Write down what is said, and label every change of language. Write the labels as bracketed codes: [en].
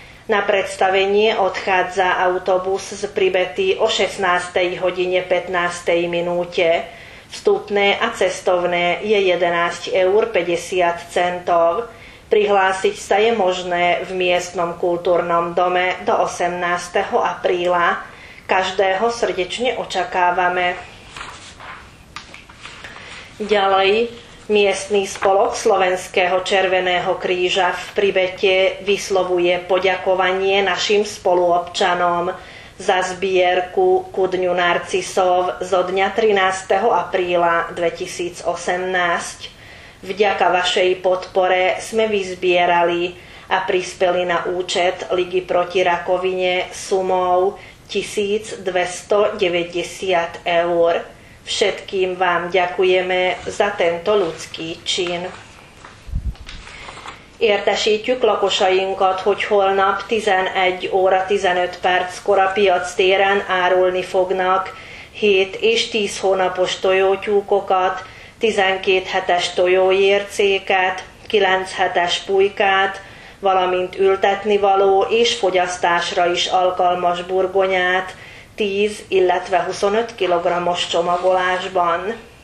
[sk] Na predstavenie odchádza autobus z Pribety o 16. hodine 15. minúte. Vstupné a cestovné je 11,50 €. Prihlásiť sa je možné v miestnom kultúrnom dome do 18. apríla. Každého srdečne očakávame. Ďalej. Miestny spolok Slovenského Červeného kríža v Pribete vyslovuje poďakovanie našim spoluobčanom za zbierku ku dňu narcisov zo dňa 13. apríla 2018. Vďaka vašej podpore sme vyzbierali a prispeli na účet Ligy proti rakovine sumou 1290 €. Všetkým vám ďakujeme za tento ľudský čin. [hu] Értesítjük lakosainkat, hogy holnap 11 óra 15 perckor a piac téren árulni fognak 7 és 10 hónapos tojótyúkokat, 12 hetes tojóércéket, 9 hetes pulykát, valamint ültetnivaló és fogyasztásra is alkalmas burgonyát, 10, illetve 25 kg-os csomagolásban.